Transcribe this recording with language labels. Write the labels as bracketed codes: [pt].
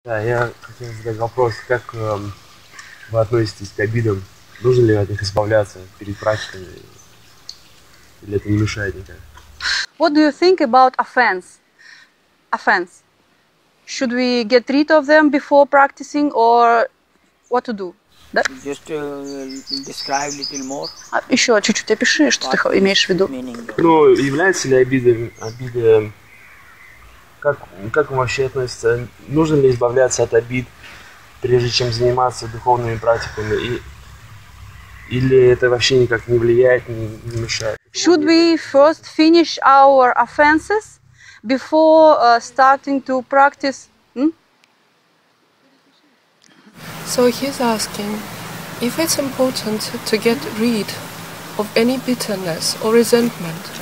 [ru] Да, я хотел задать вопрос, как вы относитесь к обидам? Нужно ли от них избавляться перед прачками? Или это не мешает никак? [en] What do you think about offense? Offense. Should we get rid of them before practicing or what to do? [ru] Да? [en] Just describe a little more. [ru] А, еще чуть-чуть опиши, что ты имеешь в виду. Ну, является ли обида, как он вообще относится? Нужно ли избавляться от обид, прежде чем заниматься духовными практиками? Или это вообще никак не влияет, не мешает? [en] Should we first finish our offenses before starting to practice? So he's asking if it's important to get rid of any bitterness or resentment.